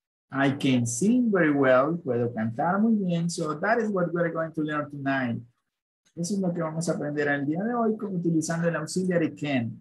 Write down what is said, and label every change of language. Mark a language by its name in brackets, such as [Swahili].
[English] I can sing very well, [Spanish] puedo cantar muy bien. [English] So that is what we're going to learn tonight. [Spanish] Eso es lo que vamos a aprender el día de hoy con utilizando el auxiliary can.